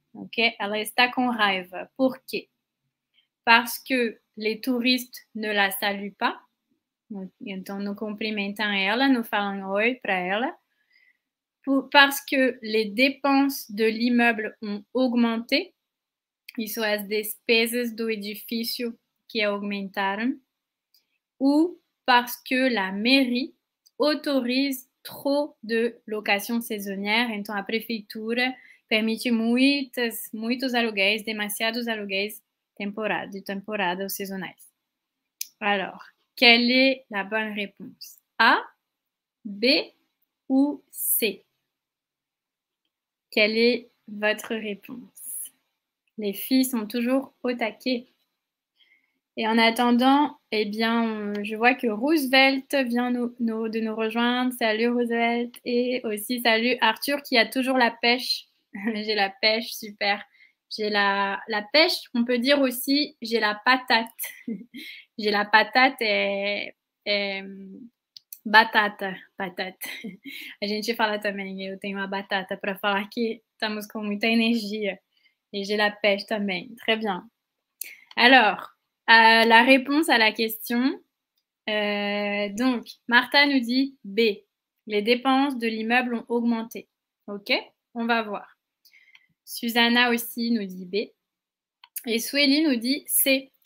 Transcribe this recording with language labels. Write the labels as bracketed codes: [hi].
[fr] Ok, [pt] ela está com raiva. Por quê? [fr] Parce que les touristes ne la saluent pas. [pt] Donc, nous cumprimentam ela, nous falam oi para ela. [fr] Parce que les dépenses de l'immeuble ont augmenté. [pt] Isso é as despesas do edifício que aumentaram. [fr] Ou parce que la mairie autorise trop de locations saisonnières. [pt] Então, a prefeitura permite muitos aluguéis, demasiados aluguéis. Temporada, de temporada ou saisonais. [fr] Alors, quelle est la bonne réponse? A, B ou C? Quelle est votre réponse? Les filles sont toujours au taquet. Et en attendant, eh bien, je vois que Roosevelt vient de nous rejoindre. Salut Roosevelt. Et aussi, salut Arthur qui a toujours la pêche. J'ai la pêche, super. J'ai la pêche, on peut dire aussi j'ai la patate. J'ai la patate et batata, patate. [pt] A gente fala também, eu tenho uma batata para falar que estamos com muita energia. [fr] Et j'ai la pêche [pt] também. [fr] Très bien. Alors, la réponse à la question. Donc, Martha nous dit B. Les dépenses de l'immeuble ont augmenté. OK? On va voir. Susanna aussi nous dit B. Et Sueli nous dit C.